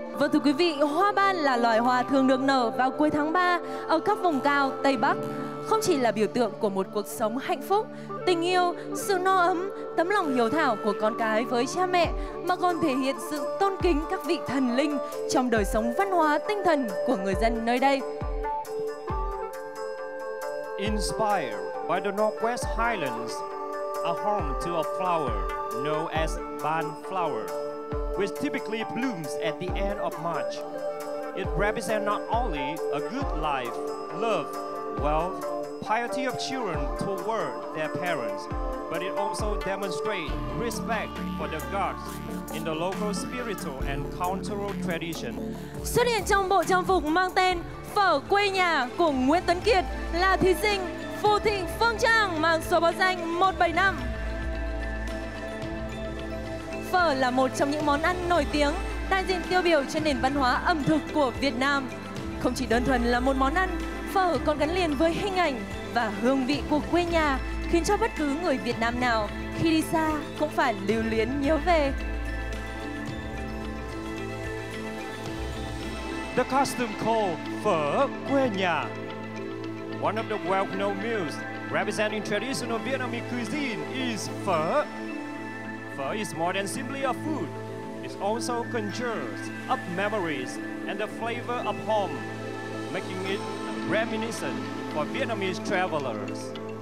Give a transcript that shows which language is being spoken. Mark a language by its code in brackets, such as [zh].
[vi] Vâng thưa quý vị, hoa ban là loài hoa thường được nở vào cuối tháng 3 ở các vùng cao Tây Bắc, không chỉ là biểu tượng của một cuộc sống hạnh phúc, tình yêu, sự no ấm, tấm lòng hiếu thảo của con cái với cha mẹ, mà còn thể hiện sự tôn kính các vị thần linh trong đời sống văn hóa tinh thần của người dân nơi đây. [en] Inspired by the Northwest Highlands, a home to a flower known as Ban Flower, which typically blooms at the end of March. It represents not only a good life, love, wealth, piety of children toward their parents, but it also demonstrates respect for the gods in the local spiritual and cultural tradition. [vi] Xuất hiện trong bộ trang phục mang tên Phở Quê Nhà của Nguyễn Tuấn Kiệt là thí sinh Phù Thị Phương Trang mang số báo danh 175. Phở là một trong những món ăn nổi tiếng, đại diện tiêu biểu cho nền văn hóa ẩm thực của Việt Nam. Không chỉ đơn thuần là một món ăn, phở còn gắn liền với hình ảnh và hương vị của quê nhà, khiến cho bất cứ người Việt Nam nào khi đi xa cũng phải lưu luyến nhớ về. [en] The costume called Phở Quê Nhà, one of the well-known meals representing traditional Vietnamese cuisine, is Phở. Phở is more than simply a food. It also conjures up memories and the flavor of home, making it reminiscent for Vietnamese travelers.